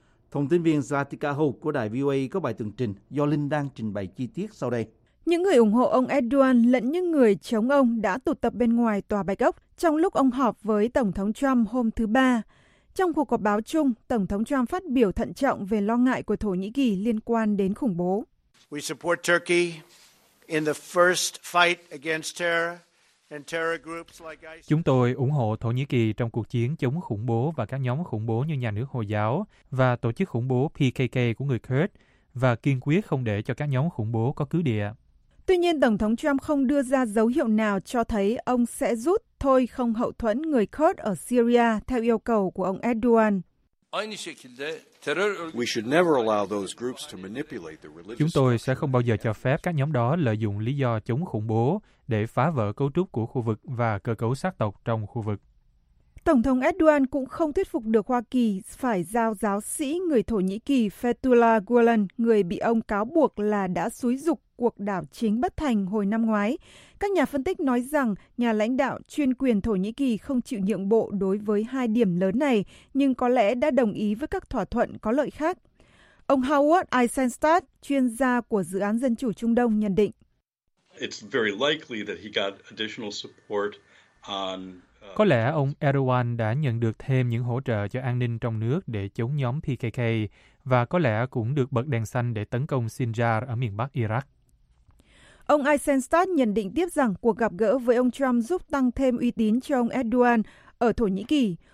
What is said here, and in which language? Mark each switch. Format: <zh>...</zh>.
<vi>Thông tin viên Zatika Hope của đài VOA có bài tường trình do Linh đang trình bày chi tiết sau đây. Những người ủng hộ ông Erdogan lẫn những người chống ông đã tụ tập bên ngoài Tòa Bạch Ốc trong lúc ông họp với Tổng thống Trump hôm thứ Ba. Trong cuộc họp báo chung, Tổng thống Trump phát biểu thận trọng về lo ngại của Thổ Nhĩ Kỳ liên quan đến khủng bố.</vi> <en>We support Turkey in the first fight against terror and terror groups like ISIS.</en> <vi>Chúng tôi ủng hộ Thổ Nhĩ Kỳ trong cuộc chiến chống khủng bố và các nhóm khủng bố như Nhà nước Hồi giáo và tổ chức khủng bố PKK của người Kurd và kiên quyết không để cho các nhóm khủng bố có cứ địa. Tuy nhiên, Tổng thống Trump không đưa ra dấu hiệu nào cho thấy ông sẽ rút thôi không hậu thuẫn người Kurd ở Syria theo yêu cầu của ông Erdogan.</vi> <en>We should never allow those groups to manipulate the religious.</en> <vi>Chúng tôi sẽ không bao giờ cho phép các nhóm đó lợi dụng lý do chống khủng bố để phá vỡ cấu trúc của khu vực và cơ cấu sắc tộc trong khu vực. Tổng thống Erdogan cũng không thuyết phục được Hoa Kỳ phải giao giáo sĩ người Thổ Nhĩ Kỳ Fethullah Gulen, người bị ông cáo buộc là đã xúi giục cuộc đảo chính bất thành hồi năm ngoái. Các nhà phân tích nói rằng nhà lãnh đạo chuyên quyền Thổ Nhĩ Kỳ không chịu nhượng bộ đối với hai điểm lớn này, nhưng có lẽ đã đồng ý với các thỏa thuận có lợi khác. Ông Howard Eisenstadt, chuyên gia của Dự án Dân chủ Trung Đông, nhận định.</vi> <en>It's very likely that he got additional support on...</en> <vi>Có lẽ ông Erdogan đã nhận được thêm những hỗ trợ cho an ninh trong nước để chống nhóm PKK và có lẽ cũng được bật đèn xanh để tấn công Sinjar ở miền bắc Iraq. Ông Eisenstadt nhận định tiếp rằng cuộc gặp gỡ với ông Trump giúp tăng thêm uy tín cho ông Erdogan ở Thổ Nhĩ Kỳ.</vi>